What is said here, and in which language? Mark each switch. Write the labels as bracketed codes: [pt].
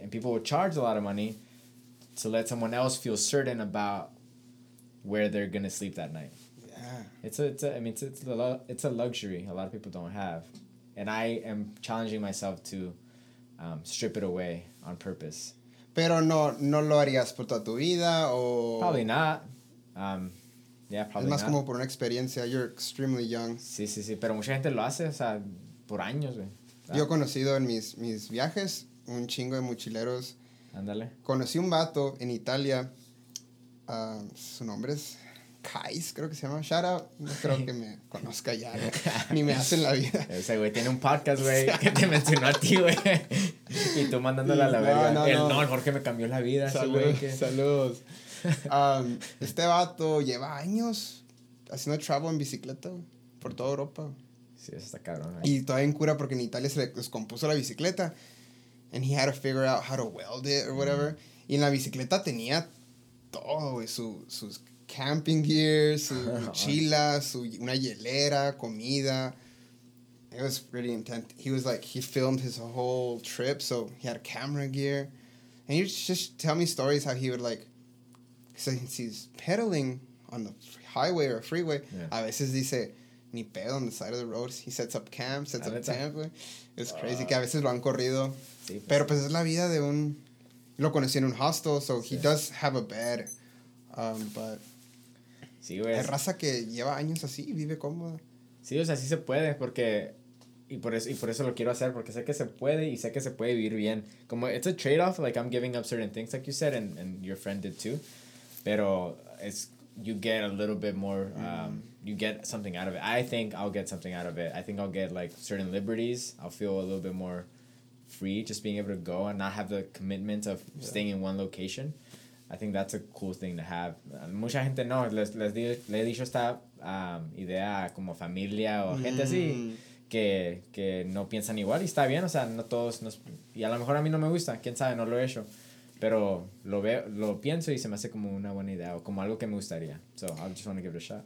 [en] And people will charge a lot of money to let someone else feel certain about where they're gonna sleep that night. It's a luxury a lot of people don't have, and I am challenging myself to strip it away on purpose. [es] Pero no lo harías por toda tu vida, o... [en] Probably not. Probably not. [es] Es más [en] not. [es] Como por una experiencia. [en] You're extremely young. [es] Sí, sí, sí. Pero mucha gente lo hace, o sea, por años, güey. Yo he conocido en mis viajes un chingo de mochileros. Ándale. Conocí un vato en Italia. Su nombre es Kais, creo que se llama. Shout out. No creo que me conozca ya. Ni me hacen la vida. Ese güey tiene un podcast, güey, que te mencionó a ti, güey. Y tú mandándole a la verga. No, el Jorge me cambió la vida. Saludos. Este vato lleva años haciendo travel en bicicleta por toda Europa. Sí, eso está cabrón. Y todavía en cura porque en Italia se le descompuso la bicicleta. [en] And he had to figure out how to weld it or whatever. [es] Y en la bicicleta tenía todo, güey. Sus camping gear, su mochila, una hielera, comida. [en] It was pretty intense. He was like, he filmed his whole trip, so he had camera gear. And he would just tell me stories how he would, like, since he's pedaling on the highway or freeway, yeah. [es] A veces dice, ni pedo [en] on the side of the road. He sets up camp, sets up camp. It's crazy. [es] Que a veces lo han corrido. Sí, pero pues es la vida de un... Lo conocí en un hostel, [en] so he does have a bed. But... [es] Sí, güey. Es raza que lleva años así y vive cómoda. Sí, o sea, sí se puede porque... Y por eso lo quiero hacer, porque sé que se puede y sé que se puede vivir bien. [en] Como, it's a trade-off, like, I'm giving up certain things, like you said, and your friend did too. Pero it's, you get a little bit more, you get something out of it. I think I'll get something out of it. I think I'll get, like, certain liberties. I'll feel a little bit more free just being able to go and not have the commitment of staying in one location. I think that's a cool thing to have. [es] Mucha gente no, le he dicho esta idea como familia o gente así. Que no piensan igual y está bien, o sea, no todos nos, y a lo mejor a mí no me gusta, quién sabe, no lo he hecho, pero lo veo, lo pienso y se me hace como una buena idea o como algo que me gustaría, [en] so I just want to give it a shot.